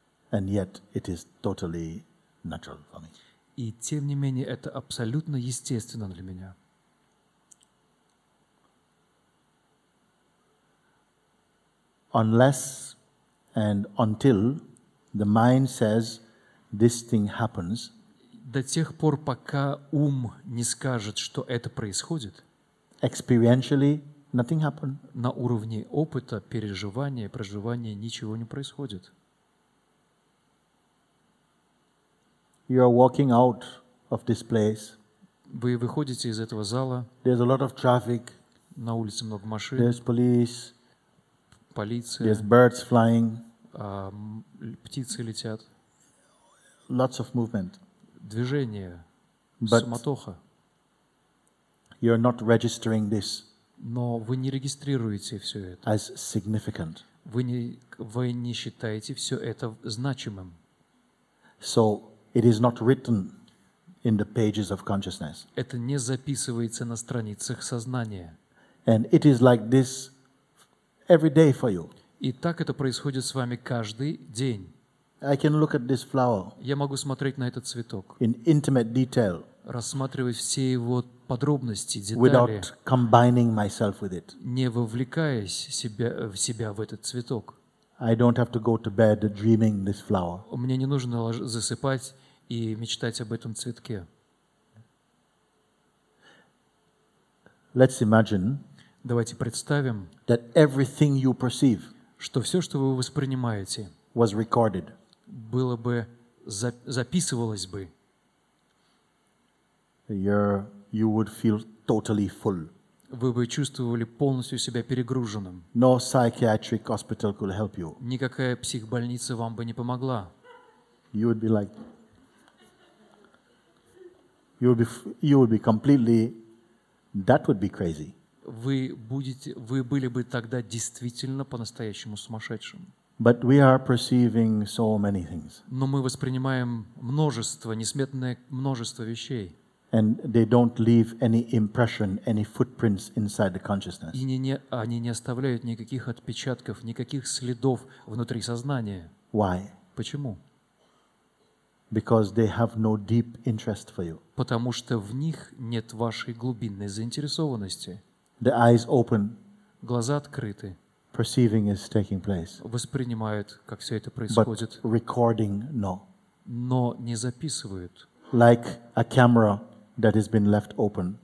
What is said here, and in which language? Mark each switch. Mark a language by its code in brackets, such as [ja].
[en] And yet it is totally natural for me. [ru] И тем не менее это абсолютно естественно для меня. [en] Unless and until the mind says this thing happens, [ru] до тех пор, пока ум не скажет, что это происходит, [en] experientially nothing happened. [ru] На уровне опыта, переживания, проживания ничего не происходит. [en] You are walking out of this place. [ru] Вы выходите из этого зала. [en] There's a lot of traffic. [ru] На улице много машин. [en] There's police. [ru] Полиция. [en] There's birds flying. [ru] Птицы летят. [en] Lots of movement. [ru] Движение. [en] But [ru] суматоха. [en] You're not registering this. [ru] Но вы не регистрируете все это. [en] As significant. [ru] Вы не считаете все это значимым. [en] So it is not written in the pages of consciousness. [ru] Это не записывается на страницах сознания. [en] And it is like this. Every day for you. [ru] И так это происходит с вами каждый день. [en] I can look at this flower. [ru] Я могу смотреть на этот цветок. [en] In intimate detail. [ru] Рассматривать все его подробности, детали. [en] Without combining myself with it. [ru] Не вовлекаясь в себя в этот цветок. [en] I don't have to go to bed dreaming this flower. [ru] Мне не нужно засыпать и мечтать об этом цветке. [en] Let's imagine. [ru] Давайте представим, [en] that everything you perceive, [ru] что все, что вы воспринимаете, [en] was recorded, [ru] было бы записывалось бы. [en] You would feel totally full. [ru] Вы бы чувствовали полностью себя перегруженным. [en] No psychiatric hospital could help you. [ru] Никакая психбольница вам бы не помогла. [en] You would be like, you would be completely, that would be crazy. [ru] Вы были бы тогда действительно по-настоящему сумасшедшим. [en] But we are perceiving so many things. [ru] Но мы воспринимаем множество, несметное множество вещей. [en] And they don't leave any impression, any footprints inside the consciousness. [ru] И они не оставляют никаких отпечатков, никаких следов внутри сознания. [en] Why? [ru] Почему? [en] Because they have no deep interest for you. [ru] Потому что в них нет вашей глубинной заинтересованности. [en] The eyes open. [ru] Глаза открыты. [en] Perceiving is taking place. [ru] Воспринимают, как все это происходит. [en] But recording, no. [ru] Но не записывают. [en] Like a camera that has been left open.